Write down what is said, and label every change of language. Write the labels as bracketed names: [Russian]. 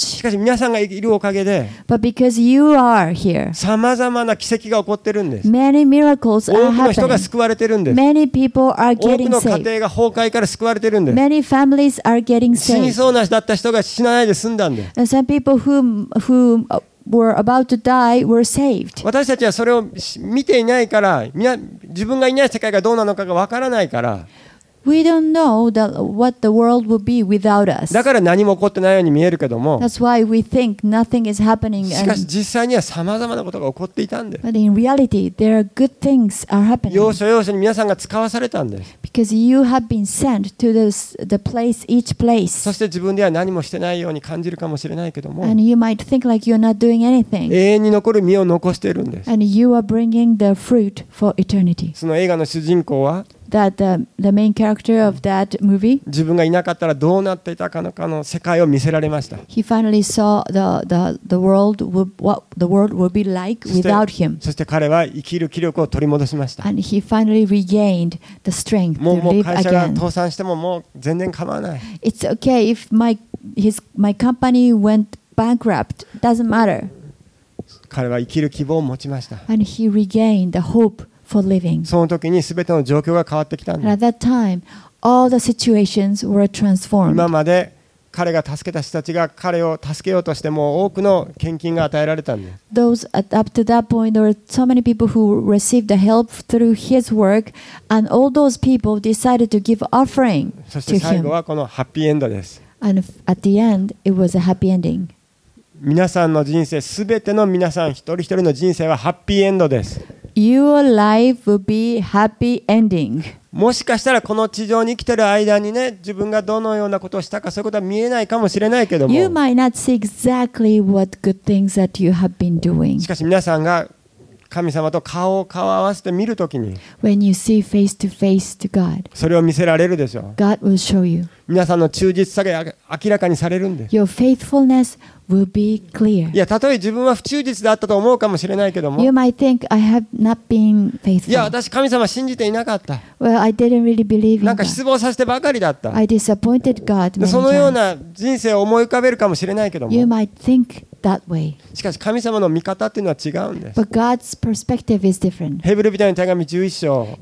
[Japanese] しかし皆さんがいるおかげで、 [English] But because you are here, [Japanese] さまざまな奇跡が起こってるんです。 [English] Many miracles are happening. [Japanese] 多くの人が救われてるんです。 [English] Many people are getting saved. [Japanese] 多くの家庭が崩壊から救われてるんです。 [English] Many families are getting saved. [Japanese] 死にそうなだった人が死なないで済んだんです。 [English] And some people who were about to die were saved. [Japanese] 私たちはそれを見ていないから、自分がいない世界がどうなのかがわからないから。 [English] We don't know what the world will be without us. [Japanese] だから何も起こってないように見えるけども。 [English] That's why we think nothing is happening. [Japanese] しかし実際にはさまざまなことが起こっていたんです。 [English] But in reality, there are good things are happening. [Japanese] 要所要所に皆さんが使わされたんです。 [English] Because you have been sent to the place, each place. [Japanese] そして自分では何もしてないように感じるかもしれないけども。 [English] And you might think like you're not doing anything. [Japanese] 永遠に残る実を残しているんです。 [English] And you are bringing the fruit for eternity. [Japanese] その映画の主人公は。 [English] That the main character of that movie. [Japanese] 自分がいなかったらどうなっていたかのかの世界を見せられました。 [English] He finally saw the world would, what the world would be like without him. [Japanese] そして彼は生きる気力を取り戻しました。 [English] And he finally regained the strength to live again. [Japanese] もう会社が倒産してももう全然構わない。 [English] It's okay if my company went bankrupt. Doesn't matter. [Japanese] 彼は生きる希望を持ちました。 [English] And he regained the hope. For living. [Japanese] その時に全ての状況が変わってきたんです。 [English] At that time, all the situations were transformed. [Japanese] 今まで彼が助けた人たちが彼を助けようとしても多くの献金が与えられたんです。 [English] Those up to that point, there were so many people who received the help through his work, and all those people decided to give offering to him. [Japanese] そして最後はこのハッピーエンドです。 [English] And at the end, it was a happy ending. [Japanese] 皆さんの人生、すべての皆さん一人一人の人生はハッピーエンドです。 [English] Your life will be happy ending. [Japanese] もしかしたらこの地上に生きている間にね、自分がどのようなことをしたかそういうことは見えないかもしれないけども。 [English] You might not see exactly what good things that you have been doing. [Japanese] しかし皆さんが神様と顔を顔を合わせて見るときに、 [English] When you see face to face to God, [Japanese] それを見せられるでしょう。 [English] God will show you. [Japanese] 皆さんの忠実さが明らかにされるんです。 [English] Your faithfulness. Will be clear. [Japanese] いや、たとえ自分は不忠実だったと思うかもしれないけども。 [English] You might think I have not been faithful. [Japanese] いや、私神様信じていなかった。 [English] Well, I didn't really believe in [Japanese] God. なんか失望させてばかりだった。 [English] I disappointed God. [Japanese] そのような人生を思い浮かべるかもしれないけども。 [English] You might think that way. [Japanese] しかし神様の見方っていうのは違うんです。 [English] But God's perspective is different. [Japanese] ヘブル人への手紙11章。